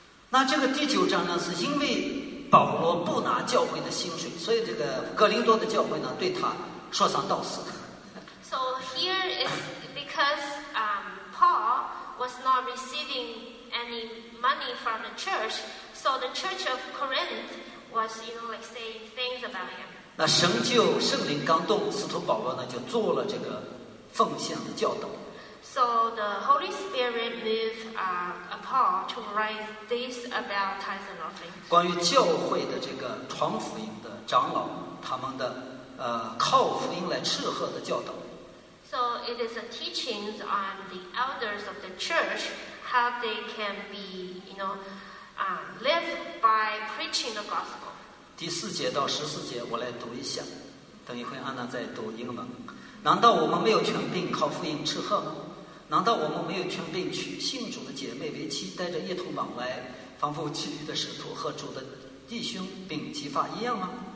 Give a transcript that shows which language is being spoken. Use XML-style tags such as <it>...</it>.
<zh>那这个第九章呢，是因为。保罗不拿教会的薪水，所以这个哥林多的教会呢，对他说三道四。</zh> <en>So here is because Paul was not receiving any money from the church, so the church of Corinth was, you know, like saying things about him.</en> <zh>那神就圣灵刚动，使徒保罗呢就做了这个奉献的教导。</zh> <en>So the Holy Spirit moved Paul to write this about tithes and offerings.</en> <zh>关于教会的这个传福音的长老，他们的靠福音来吃喝的教导。</zh> <en>So it is a teaching on the elders of the church how they can be, you know, live by preaching the gospel.</en> <zh>第四节到十四节，我来读一下，等一会安娜再读英文。难道我们没有权柄靠福音吃喝吗？难道我们没有权柄娶信主的姐妹为妻，带着一同往来，仿佛其余的使徒和主的弟兄并其发一样吗？</zh>